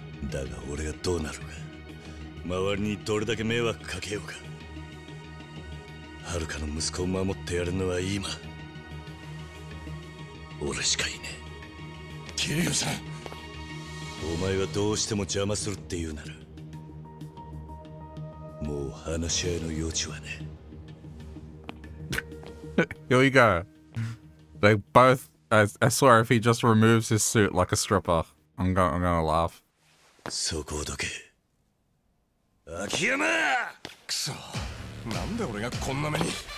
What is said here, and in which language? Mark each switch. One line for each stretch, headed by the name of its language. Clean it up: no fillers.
Japanese: だが俺がどうなるか、周りにどれだけ迷惑かけようか、遥かの息子を守ってやるのは今俺しかいねえ。キリュウさん、お前はどうしても邪魔するって言うなら、もう話し合いの余地はねえ。
English: Here we go. They both, I swear if he just removes his suit like a stripper, I'm gonna laugh.
Japanese: そこをどけ。秋山！くそ、なんで俺がこんな目に。